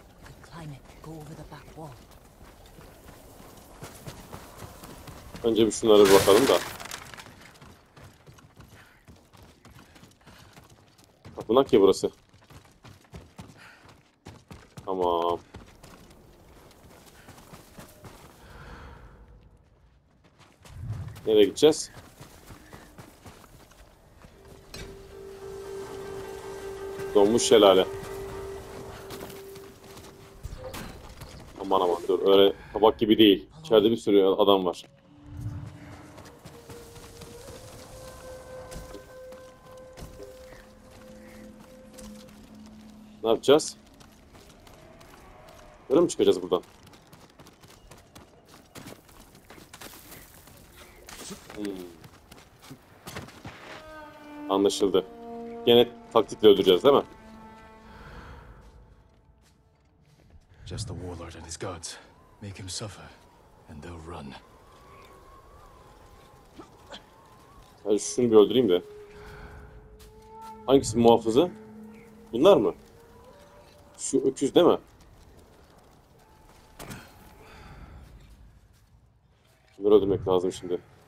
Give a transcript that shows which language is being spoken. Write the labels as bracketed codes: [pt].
[en] We could climb it, go over the back wall. [tr] Önce bir şunlara bir bakalım da. Tapınak ya burası. Tamam. Nereye gideceğiz? Donmuş şelale. Aman aman dur, öyle tabak gibi değil. İçeride bir sürü adam var. Ne yapacağız? Böyle mi çıkacağız buradan? Anlaşıldı. Gene taktikle öldüreceğiz değil mi? [en] Just the warlord and his guards. Make him suffer, and they'll run. [tr] Hadi şunu bir öldüreyim de. Hangisi muhafızı? Bunlar mı? Şu öküz değil mi? Şunları öldürmek lazım şimdi.